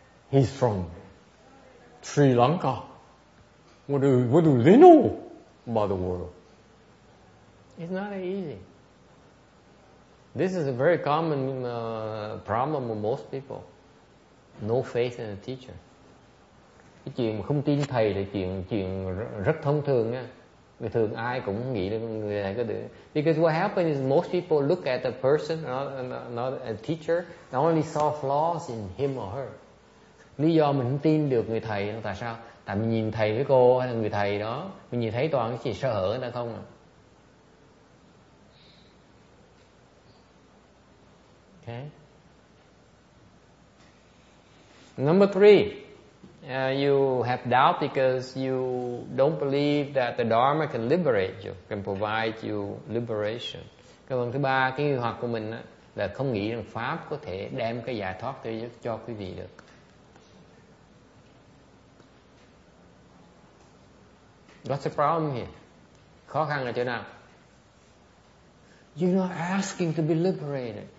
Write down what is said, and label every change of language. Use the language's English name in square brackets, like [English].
[English] He's from Sri Lanka. What do they know about the world? It's not that easy. This is a very common problem with most people. No faith in the teacher. [Vietnamese] Cái chuyện mà không tin thầy là chuyện rất thông thường nha. Vì thường ai cũng nghĩ là người này có đứa. [English] Because what happened is most people look at a person, not a teacher, they only saw flaws in him or her. [Vietnamese] Lý do mình không tin được người thầy là tại sao? Tại mình nhìn thầy với cô hay là người thầy đó, mình nhìn thấy toàn cái gì sơ hở người ta không à? [English] Okay. Number three, you have doubt because you don't believe that the Dharma can liberate you, can provide you liberation. [Vietnamese] Cái phần thứ ba, cái nghi hoặc của mình là không nghĩ rằng Pháp có thể đem cái giải thoát cho quý vị được. [English] What's the problem here? [Vietnamese] Khó khăn ở chỗ nào? [English] You're not asking to be liberated.